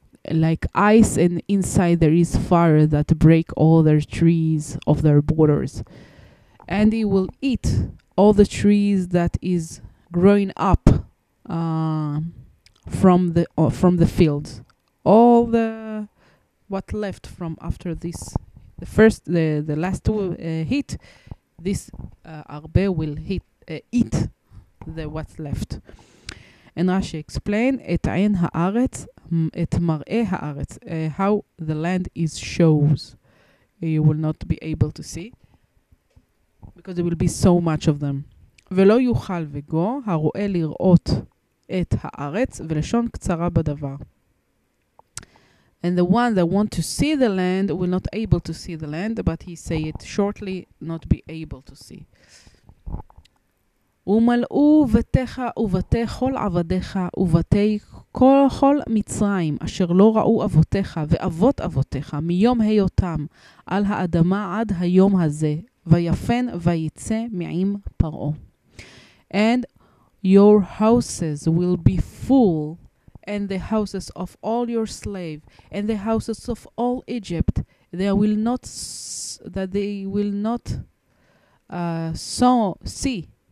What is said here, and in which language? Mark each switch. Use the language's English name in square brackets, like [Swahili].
[English] like ice, and inside there is fire that break all their trees of their borders, and he will eat all the trees that is growing up from the fields, all the what left from after this, the first, the last heat, this arbe will eat the what's left. And Rashi explained, [Hebrew] et ayin haaretz, et mar'eh haaretz, [English] how the land is shows, you will not be able to see because there will be so much of them. [Hebrew] ולא יוכל וגו הרואה לראות את הארץ ולשון קצרה בדבר. [English] And the one that want to see the land will not able to see the land, but he say it shortly, not be able to see. [Hebrew] ומלאו בתיך ובתי כל עבדיך ובתי כל מצרים אשר לא ראו אבותיך ואבות אבותיך מיום היותם על האדמה עד היום הזה, ויפן ויצא מעם פרעה. [English] And your houses will be full, and the houses of all your slaves, and the houses of all Egypt, they will not see